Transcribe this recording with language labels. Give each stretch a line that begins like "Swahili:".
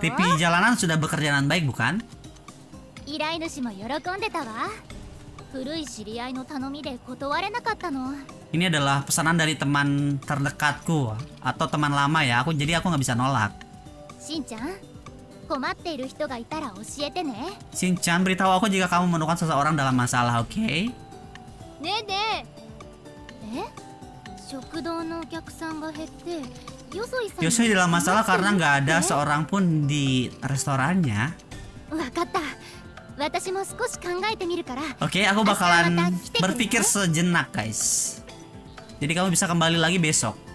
Indonesian: TV jalanan sudah bekerja dengan baik, bukan?
Japanese: Irainushi mo yorokonde ta wa. 古い知り合いの頼みで断れなかったの。
Indonesian: Ini adalah pesanan dari teman terdekatku atau teman lama ya. Aku jadi aku enggak bisa nolak.
Japanese: Shin-chan, 困っている人がいたら教えてね。
Indonesian: Shin-chan, beritahu aku jika kamu menemukan seseorang dalam masalah, okay? Nene. Eh?
Japanese: 食堂のお客さんが減って、
Indonesian: Yosui dalam masalah karena enggak ada seorang pun di restorannya.
Japanese: Wakatta. Watashi mo sukoshi kangaete miru kara.
Indonesian: Okay, aku bakalan berpikir sejenak, guys. Jadi kamu bisa kembali lagi besok.